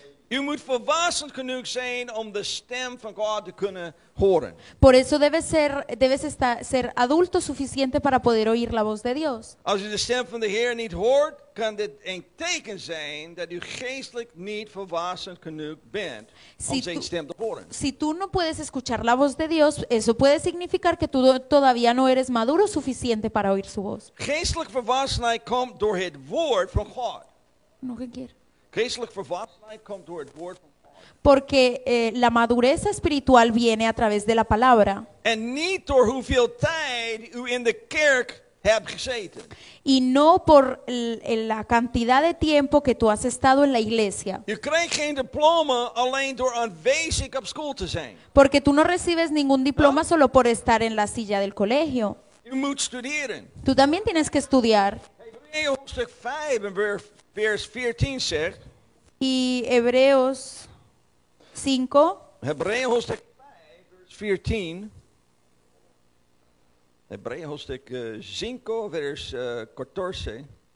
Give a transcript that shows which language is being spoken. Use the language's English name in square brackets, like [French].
[Dutch] U moet volwassen genoeg zijn om de stem van God te kunnen horen. [Spanish] Por eso debes ser adulto suficiente para poder oír la voz de Dios. [Dutch] Als u de stem van de Heer niet hoort, kan dit een teken zijn dat u geestelijk niet volwassen genoeg bent om zijn stem te horen. [Spanish] Si tú no puedes escuchar la voz de Dios, eso puede significar que tú todavía no eres maduro suficiente para oír su voz. [Dutch] Geestelijk volwassenheid komt door het woord van God. Nog een keer. Geestelijk volwassenheid komt door het woord van God. [Spanish] Porque la madurez espiritual viene a través de la palabra. [Dutch] En niet door hoeveel tijd u in de kerk hebt gezeten. [Spanish] Y no por la cantidad de tiempo que tú has estado en la iglesia. [Dutch] Je krijgt geen diploma alleen door aanwezig op school te zijn. [Spanish] Porque tú no recibes ningún diploma no. solo por estar en la silla del colegio. [Dutch] U moet studeren. [Spanish] Tú también tienes que estudiar. [Dutch] Hebreeën hoofdstuk 5 en weer vers 14 zegt. [Spanish] Y Hebreos 5. [Dutch] Hebreeën hoofdstuk 5 vers 14. Hebreeën hoofdstuk 5 vers 14.